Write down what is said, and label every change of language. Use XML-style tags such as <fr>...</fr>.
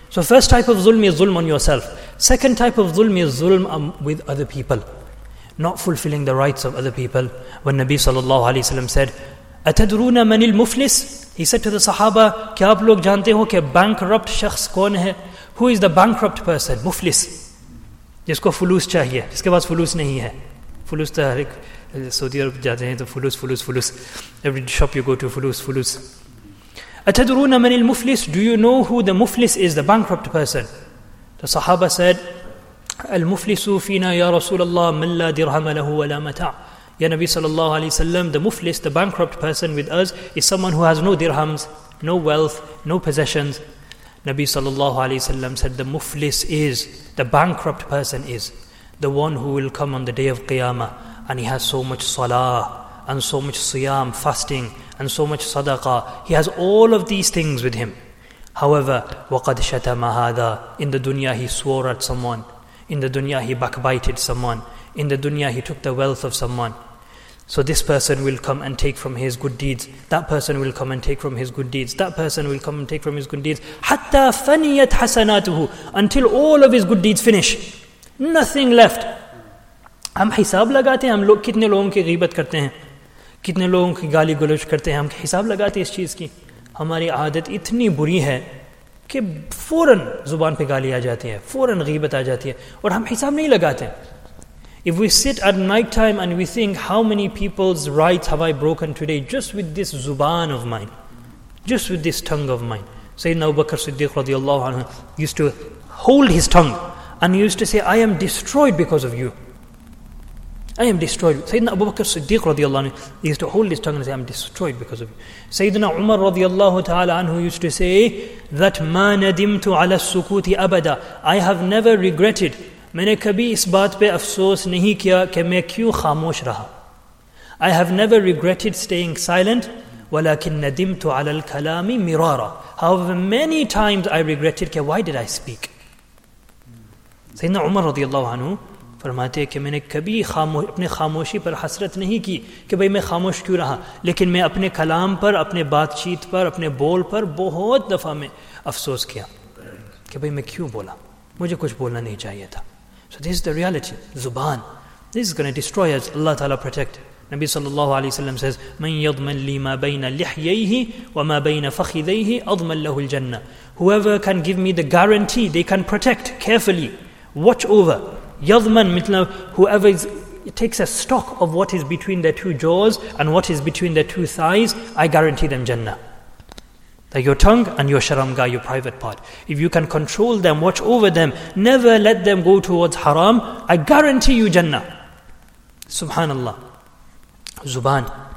<en>So first type of zulm is zulm on yourself. Second type of zulm is zulm with other people. Not fulfilling the rights of other people. When Nabi sallallahu alayhi wa sallam said,</en> <ar>أَتَدْرُونَ مَنِ الْمُفْلِسِ,</ar> <en>he said to the sahaba,</en> <ur>کیا آپ لوگ جانتے ہو کہ bankrupt شخص کون ہے?</ur> <en>Who is the bankrupt person?</en> <ur>مفلس. جس کو فلوس چاہیے. جس کے پاس فلوس نہیں ہے. فلوس تو ہر ایک سعودی عرب جاتے ہیں تو floss floss floss.</ur> <en>Every shop you go to, فلوس فلوس.</en> <ar>أَتَدْرُونَ مَنِ الْمُفْلِسِ,</ar> <en>do you know who the مفلس is, the bankrupt person? The sahaba said,</en> <ar>الْمُفْلِسُ فِينَا يَا رَسُولَ اللَّهِ مَنْ لَا دِرْهَمَ لَهُ وَلَا مَتَعَ.</ar> <en>Ya Nabi sallallahu alayhi wa sallam, the muflis, the bankrupt person with us, is someone who has no dirhams, no wealth, no possessions. Nabi sallallahu alayhi wa sallam said, the muflis is, the bankrupt person is, the one who will come on the day of Qiyamah, and he has so much salah, and so much siyam, fasting, and so much sadaqah. He has all of these things with him. However,</en> <ar>وَقَدْ شَتَمَ هَذَا,</ar> <en>in the dunya he swore at someone, in the dunya he backbited someone, in the dunya he took the wealth of someone. So this person will come and take from his good deeds. That person will come and take from his good deeds. That person will come and take from his good deeds.</en> <ar>حَتَّى فَنِيَتْ حَسَنَاتُهُ,</ar> <en>until all of his good deeds finish. Nothing left.</en> <ur>ہم حساب لگاتے ہیں ہم لوگ کتنے لوگوں کی غیبت کرتے ہیں, کتنے لوگوں کی گالی گلوچ کرتے ہیں, ہم حساب لگاتے ہیں اس چیز کی. ہماری عادت اتنی بری ہے کہ فوراً زبان پہ گالی آ جاتی ہے, فوراً غیبت آ جاتی ہے, اور ہم حساب نہیں لگاتے.</ur> <en>If we sit at night time and we think, how many people's rights have I broken today just with this zuban of mine, just with this tongue of mine. Sayyidina Abu Bakr Siddiq radiallahu anhu used to hold his tongue and he used to say, I am destroyed because of you. I am destroyed. Sayyidina Abu Bakr Siddiq radiallahu anhu used to hold his tongue and say, I am destroyed because of you. Sayyidina Umar radiallahu ta'ala anhu used to say, that</en> <ar>ma nadimtu ala sukuti abada,</ar> <en>I have never regretted,</en> <ur>میں نے کبھی اس بات پہ افسوس نہیں کیا کہ میں کیوں خاموش رہا.</ur> <en>I have never regretted staying silent,</en> <ar>ولكن ندمت على الكلام مرارا.</ar> <en>However many times I regretted, کہ why did I speak?</en> <ur>سیدنا عمر رضی اللہ عنہ فرماتے ہیں کہ میں نے کبھی اپنے خاموشی پر حسرت نہیں کی کہ بھئی میں خاموش کیوں رہا, لیکن میں اپنے کلام پر, اپنے بات چیت پر, اپنے بول پر بہت دفعہ میں افسوس کیا کہ بھئی میں کیوں بولا, مجھے کچھ بولنا نہیں چاہیے تھا.</ur> <en>So this is the reality, zuban. This is going to destroy us. Allah Ta'ala protect. Nabi sallallahu alayhi wa sallam says,</en> <ar>مَنْ يَضْمَنْ لِي مَا بَيْنَ لِحْيَيْهِ وَمَا بَيْنَ فَخِذَيْهِ أَضْمَنْ لَهُ الْجَنَّةِ.</ar> <en>Whoever can give me the guarantee, they can protect carefully, watch over.</en> <ar>يَضْمَنْ مِتْنَا,</ar> <en>whoever takes a stock of what is between their two jaws and what is between their two thighs, I guarantee them Jannah. Your tongue and your sharamga, your private part. If you can control them, watch over them, never let them go towards haram, I guarantee you Jannah. Subhanallah. Zuban.</en>